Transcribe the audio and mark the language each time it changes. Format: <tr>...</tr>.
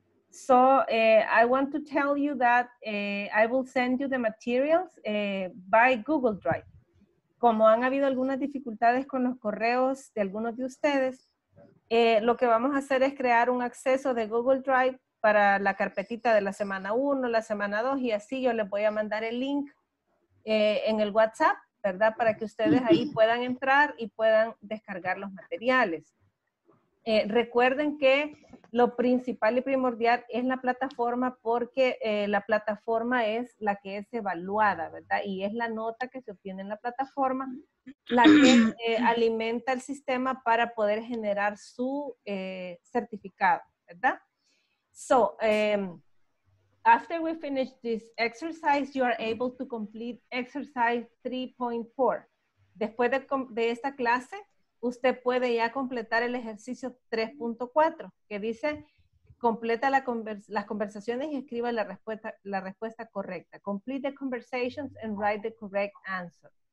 <en>So, I want to tell you that I will send you the materials by Google Drive.</en> <es>Como han habido algunas dificultades con los correos de algunos de ustedes, lo que vamos a hacer es crear un acceso de Google Drive para la carpetita de la semana 1, la semana 2, y así yo les voy a mandar el link en el WhatsApp, ¿verdad? Para que ustedes ahí puedan entrar y puedan descargar los materiales. Recuerden que lo principal y primordial es la plataforma porque la plataforma es la que es evaluada, ¿verdad? Y es la nota que se obtiene en la plataforma la que alimenta el sistema para poder generar su certificado, ¿verdad?</es> <en>So, after we finish this exercise, you are able to complete exercise 3.4.</en> <es>Después de esta clase, usted puede ya completar el ejercicio 3.4, que dice, completa las conversaciones y escriba la respuesta correcta.</es> <en>Complete the conversations and write the correct answer.</en>